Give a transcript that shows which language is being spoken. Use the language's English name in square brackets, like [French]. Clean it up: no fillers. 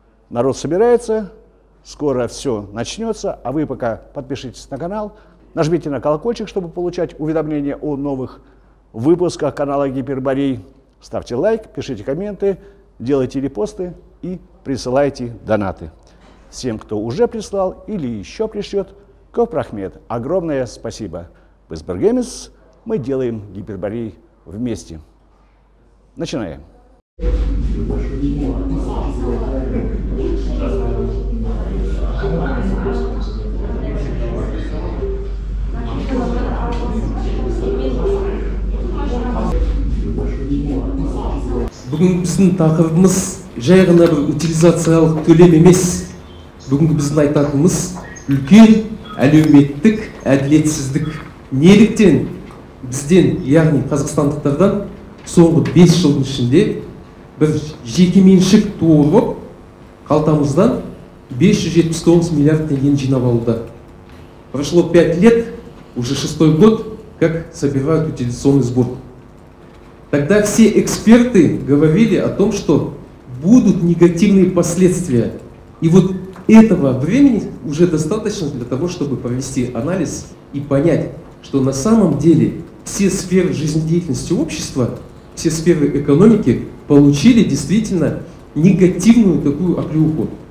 [Russian] Народ собирается, скоро все начнется, а вы пока подпишитесь на канал, нажмите на колокольчик, чтобы получать уведомления о новых выпусках канала Гиперборей. Ставьте лайк, пишите комменты, делайте репосты и присылайте донаты. Всем, кто уже прислал или еще пришлет, [Kazakh] Көп рахмет, [Russian] огромное спасибо. [Kazakh] Біз біргеміз, [Russian] мы делаем Гиперборей вместе. Начинаем. [Kazakh] Бүгін біздің тақырыбымыз жай ғана бір утилизациялық төлем емес. Бүгін біздің айтатынымыз үлкен әлеуметтік әділетсіздік. Неліктен бізден, яғни қазақстандықтардан соңғы 5 жылдың ішінде бір жекеменшік туырып қалтамыздан 579 миллиард теңгені жинап алуда. [Russian] Прошло 5 лет, уже 6-й год, как собирают утилизационный сбор. Тогда все эксперты говорили о том, что будут негативные последствия. И вот этого времени уже достаточно для того, чтобы провести анализ и понять, что на самом деле все сферы жизнедеятельности общества, все сферы экономики получили действительно негативную такую оплеуху.